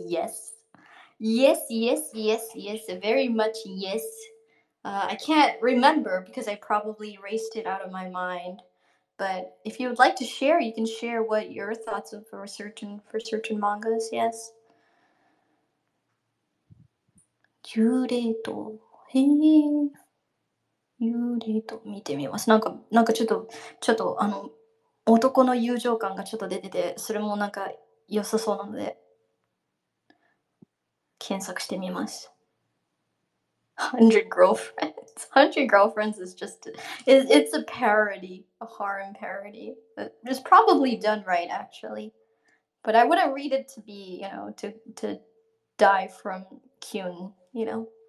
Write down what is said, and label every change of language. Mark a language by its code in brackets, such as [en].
[en] Yes. Yes, yes, yes, yes. Very much yes. I can't remember because I probably erased it out of my mind. But if you would like to share, you can share what your thoughts of for certain mangas, yes. [ja] ユーレート、へぇー。ユーレート、見てみます。なんか、ちょっと、男の友情感がちょっと出てて、それもなんか良さそうなので検索してみます。 [en] 100 girlfriends 100 girlfriends is just it's a parody, a harem parody. It's probably done right actually, but I wouldn't read it to be, you know, to die from Kyun, you know.